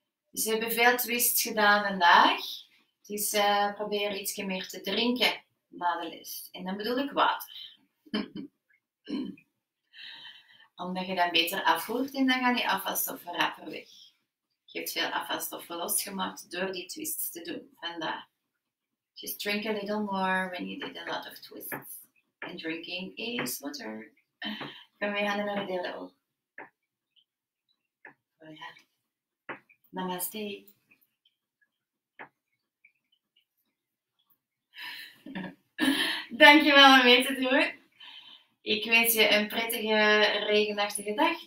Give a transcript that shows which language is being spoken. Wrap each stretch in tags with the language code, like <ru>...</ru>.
<nl>Dus we hebben veel twists gedaan vandaag. Dus probeer iets meer te drinken na de les. En dan bedoel ik water. Omdat je dan beter afvoert en dan gaan die afvalstoffen rapper weg. Je hebt veel afvalstoffen losgemaakt door die twists te doen. Vandaar.</nl> <en>Just drink a little more when you did a lot of twists. And drinking is water.</en> <nl>Kom, we gaan naar de derde oog. Voilà. Namaste. Dankjewel om mee te doen. Ik wens je een prettige regenachtige dag.</nl>